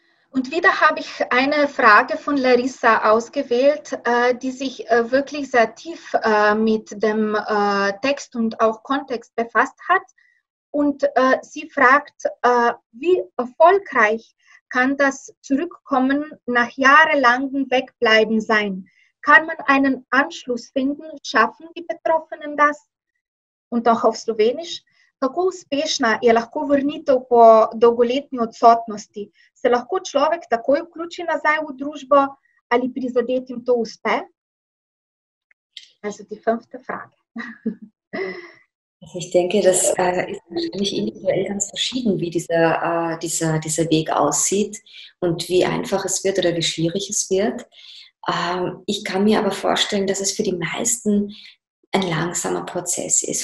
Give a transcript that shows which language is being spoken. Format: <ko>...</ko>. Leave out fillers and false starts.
<de>Und wieder habe ich eine Frage von Larissa ausgewählt, die sich wirklich sehr tief mit dem Text und auch Kontext befasst hat. Und sie fragt, wie erfolgreich kann das Zurückkommen nach jahrelangem Wegbleiben sein? Kann man einen Anschluss finden? Schaffen die Betroffenen das? Und auch auf Slowenisch.</de> <sl>Kako uspešna je lahko vrnitev po dolgoletni odsotnosti? Se lahko človek takoj vključi nazaj v družbo ali prizadetim to uspe?</sl> <de>Also die fünfte Frage. Ich denke, das ist wahrscheinlich individuell ganz verschieden, wie dieser Weg aussieht und wie einfach es wird oder wie schwierig es wird. Ich kann mir aber vorstellen, dass es für die meisten ein langsamer Prozess ist.</de>